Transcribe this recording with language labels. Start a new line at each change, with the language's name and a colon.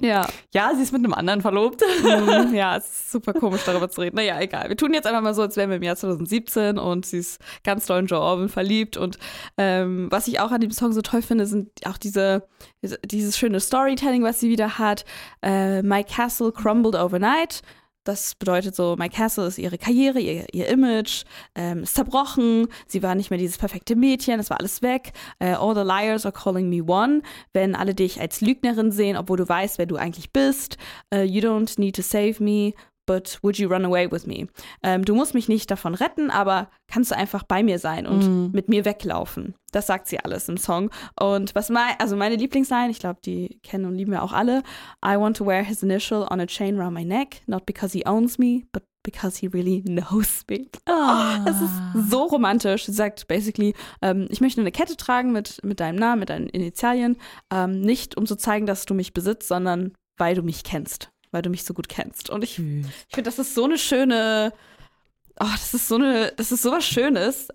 German: ja sie ist mit einem anderen verlobt. Ja, es ist super komisch, darüber zu reden. Naja, egal. Wir tun jetzt einfach mal so, als wären wir im Jahr 2017 und sie ist ganz doll in Joe Alwyn verliebt und was ich auch an dem Song so toll finde, sind auch dieses schöne Storytelling, was sie wieder hat.
English: My castle crumbled overnight.
German: Das bedeutet so, My Castle ist ihre Karriere, ihr Image, ist zerbrochen. Sie war nicht mehr dieses perfekte Mädchen, das war alles weg.
English: All the liars are calling me one.
German: Wenn alle dich als Lügnerin sehen, obwohl du weißt, wer du eigentlich bist.
English: You don't need to save me, but would you run away with me?
German: Du musst mich nicht davon retten, aber kannst du einfach bei mir sein und mit mir weglaufen. Das sagt sie alles im Song. Und was meine Lieblingsline, ich glaube, die kennen und lieben wir auch alle.
English: I want to wear his initial on a chain around my neck, not because he owns me, but because he really knows me. Oh,
German: das ist so romantisch. Sie sagt basically, ich möchte eine Kette tragen mit deinem Namen, mit deinen Initialien. Nicht, um zu zeigen, dass du mich besitzt, sondern weil du mich kennst. Weil du mich so gut kennst. Und ich finde, das ist so eine schöne, das ist so was Schönes.